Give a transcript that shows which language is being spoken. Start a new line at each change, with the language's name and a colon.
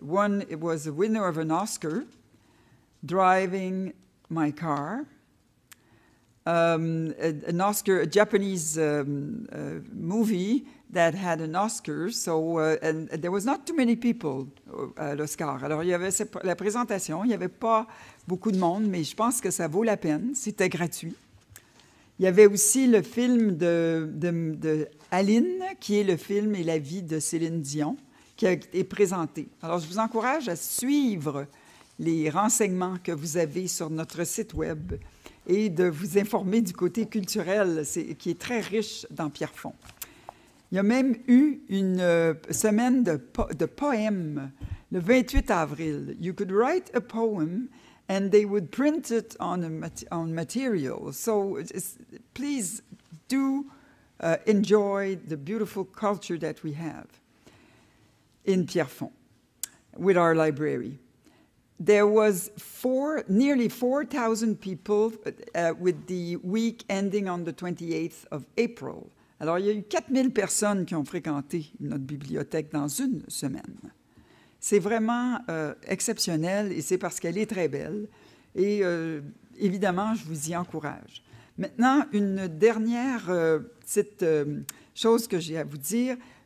English: One, it was a winner of an Oscar, Driving My Car. An Oscar, a Japanese movie that had an Oscar. So, and there was not too many people at l'Oscar.
French: Alors, il y avait la présentation. Il n'y avait pas beaucoup de monde, mais je pense que ça vaut la peine. C'était gratuit. Il y avait aussi le film de Aline, qui est le film et la vie de Céline Dion, qui est présenté. Alors, je vous encourage à suivre les renseignements que vous avez sur notre site web et de vous informer du côté culturel, qui est très riche dans Pierrefonds. Il y a même eu une semaine de poèmes le 28 avril.
English: You could write a poem and they would print it on material. So, please do enjoy the beautiful culture that we have in Pierrefonds with our library. There was nearly 4,000 people with the week ending on the 28th of April.
French: Alors, il y a eu 4,000 personnes qui ont fréquenté notre bibliothèque dans une semaine. C'est vraiment exceptionnel et c'est parce qu'elle est très belle. Et évidemment, je vous y encourage. Maintenant, une dernière petite chose que j'ai à vous dire.